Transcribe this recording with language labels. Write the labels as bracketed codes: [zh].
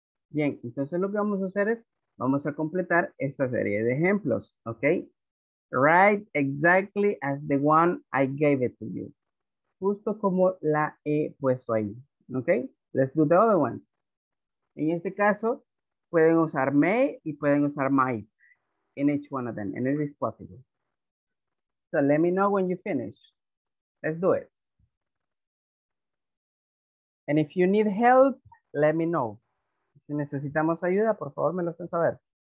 [es] Bien, entonces lo que vamos a hacer es, vamos a completar esta serie de ejemplos, okay? [en] Write exactly as the one I gave it to you. [es] Justo como la he puesto ahí, okay? [en] Let's do the other ones. [es] En este caso, pueden usar may y pueden usar might. [en] In each one of them, and it is possible. So let me know when you finish. Let's do it. And if you need help, let me know. [es] Si necesitamos ayuda, por favor, me lo hacen saber.